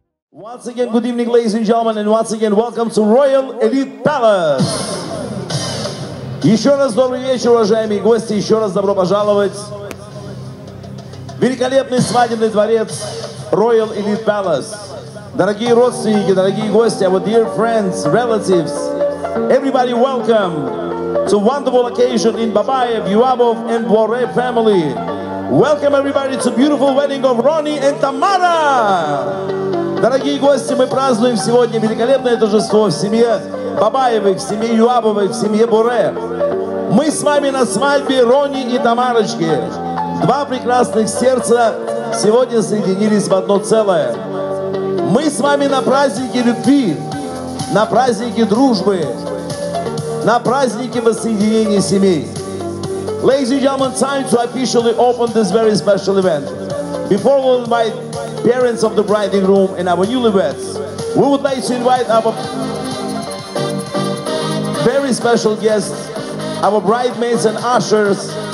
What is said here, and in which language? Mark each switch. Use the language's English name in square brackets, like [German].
[English] Once again, good evening, ladies and gentlemen, and once again, welcome to Royal Elite Towers. [Russian] Еще раз добрый вечер, уважаемые гости, еще раз добро пожаловать. Великолепный свадебный дворец Royal Elite Palace. Дорогие родственники, дорогие гости, [English] our dear friends, relatives, everybody welcome to wonderful occasion in Бабаев, Юабов and Буаре family. Welcome everybody to beautiful wedding of Ronnie and Tamara. [Russian] Дорогие гости, мы празднуем сегодня великолепное торжество в семье Бабаевых, в семье Юабовых, в семье Буаре. Мы с вами на свадьбе Ронни и Тамарочки. Два прекрасных сердца сегодня соединились в одно целое. Мы с вами на празднике любви, на празднике дружбы, на празднике воссоединения семей. [English] Ladies and gentlemen, time to officially open this very special event. Before we invite parents of the bride and groom and our newlyweds, we would like to invite our very special guests, our bridesmaids and ushers.